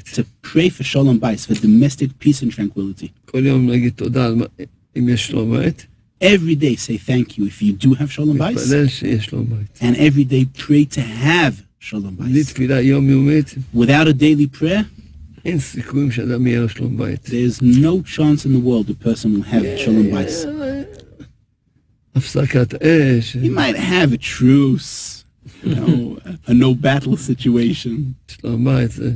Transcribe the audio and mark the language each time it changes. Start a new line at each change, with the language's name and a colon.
English: To pray for Shalom Bayis, for domestic peace and tranquility.
Hebrew: כל יום להגיד תודה אם יש שלום בית.
English: Every day say thank you if you do have Shalom Bayis.
Hebrew: מתפלל שיש שלום בית.
English: And every day pray to have Shalom Bayis.
Hebrew: בלי תפילה יומיומית.
English: Without a daily prayer.
Hebrew: אין סיכויים שאדם יהיה לו שלום בית.
English: There's no chance in the world a person will have Shalom Bayis.
Hebrew: הפסקת אש.
English: He might have a truce, a no battle situation.
Hebrew: שלום בית.